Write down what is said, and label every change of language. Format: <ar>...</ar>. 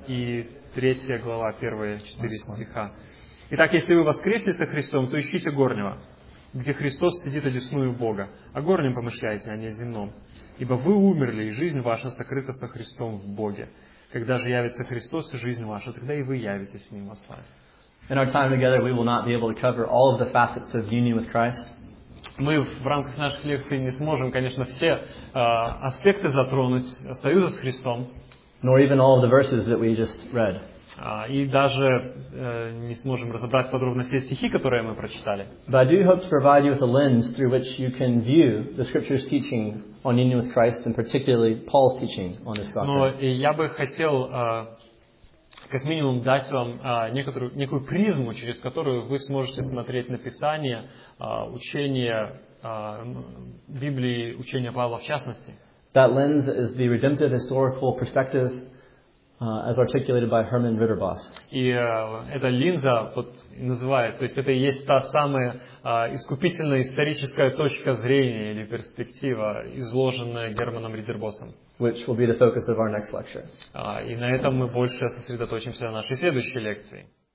<ru>И 3 глава, 1-4 стиха. Итак, если вы воскресли со Христом, то ищите горнего, где Христос сидит одесную Бога, о горнем помышляете, а не о земном. Ибо вы умерли, и жизнь ваша сокрыта со Христом в Боге. Когда же явится Христос и жизнь ваша, тогда и вы явитесь с Ним во славе.</ru> <en>In our time together, we will not be able to cover all of the facets of union with Christ.</en> <ru>Мы в рамках наших лекций не сможем, конечно, все аспекты затронуть союза с Христом.</ru> <en>Nor even all the verses that we just read.</en> <ru>И даже не сможем разобрать подробно все стихи, которые мы прочитали.</ru> <en>But I do hope to provide you with a lens through which you can view the Scripture's teaching on union with Christ, and particularly Paul's teaching on this doctrine.</en> <ru>Но я бы хотел как минимум дать вам некую призму, через которую вы сможете смотреть на Писание, учение Библии, учение Павла в частности.</ru> <en>That lens is the redemptive historical perspective as articulated by Hermann Ritterbos.</en> <ru>И эта линза вот называет, то есть это и есть та самая искупительная историческая точка зрения или перспектива, изложенная Германом Риттербосом.</ru> <en>Which will be the focus of our next lecture.</en> <ru>И на этом мы больше сосредоточимся на нашей следующей лекции.</ru>